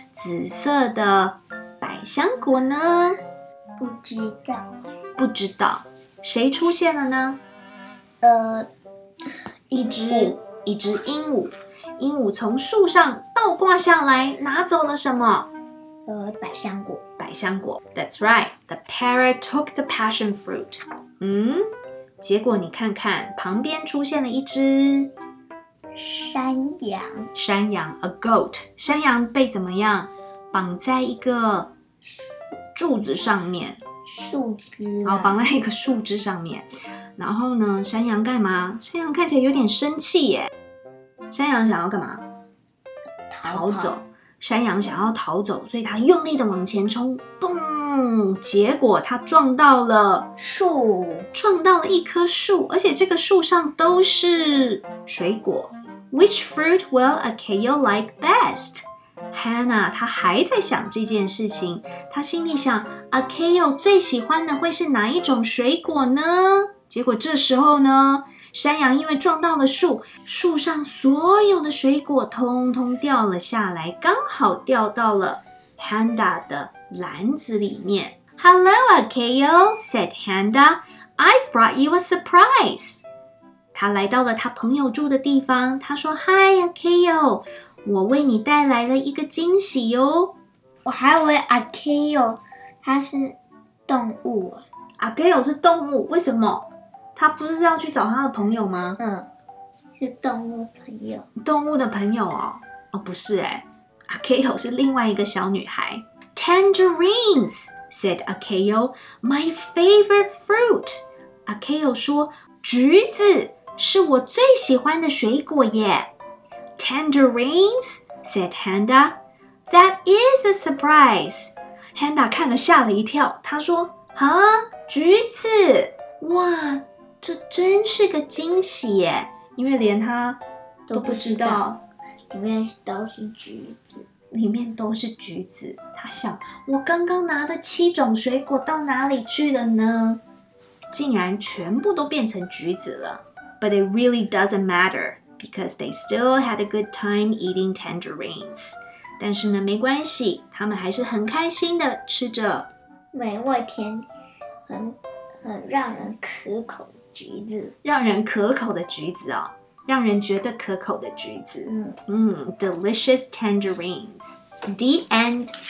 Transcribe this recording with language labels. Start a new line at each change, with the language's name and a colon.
Chinese: 紫色的百香果呢？不知道。不知道。谁出现了呢？一只鹦鹉。鹦鹉从树上倒挂下来，拿走了什么？百香果。百香果。
English: That's right. The parrot took the passion fruit.
Chinese: 结果你看看，旁边出现了一只山羊。山羊 ，
English: a goat。
Chinese: 山羊被怎么样？绑在一个柱子上面。树枝。哦，绑在一个树枝上面。然后呢，山羊干嘛？山羊看起来有点生气耶。山羊想要干嘛？逃走。山羊想要逃走，所以他用力的往前冲，嘣！结果他撞到了树，撞到了一棵树，而且这个树上都是水果。
English: Which fruit will Akio like best?
Chinese: Hannah， 他还在想这件事情，他心里想 ，Akio 最喜欢的会是哪一种水果呢？结果这时候呢，山羊因为撞到了树，树上所有的水果通通掉了下来，刚好掉到了 Handa 的篮子里面。
English: Hello, Akio, said Handa. I've brought you a surprise.
Chinese: 他来到了他朋友住的地方，他说
English: Hi,
Chinese: Akio, 我为你带来了一个惊喜哟。我还以为 Akio 他是动物。 Akio 是动物，为什么？他不是要去找他的朋友吗？嗯，是动物朋友。动物的朋友哦？哦，不是哎。 Akio 是另外一个小女孩。
English: Tangerines, said Akio, my favorite fruit.
Chinese: Akio 说，橘子是我最喜欢的水果耶。
English: Tangerines, said Handa, that is a surprise.
Chinese: Handa 看了吓了一跳，她说，啊，橘子，哇。这真是个惊喜耶，因为连他都不知道里面都是橘子。里面都是橘子，他想，我刚刚拿的七种水果到哪里去了呢？竟然全部都变成橘子了。
English: But it really doesn't matter, because they still had a good time eating tangerines.
Chinese: 但是呢，没关系，他们还是很开心的吃着美味甜，很让人可口。橘子，让人可口的橘子哦，让人觉得可口的橘子。
English: Delicious tangerines. The end.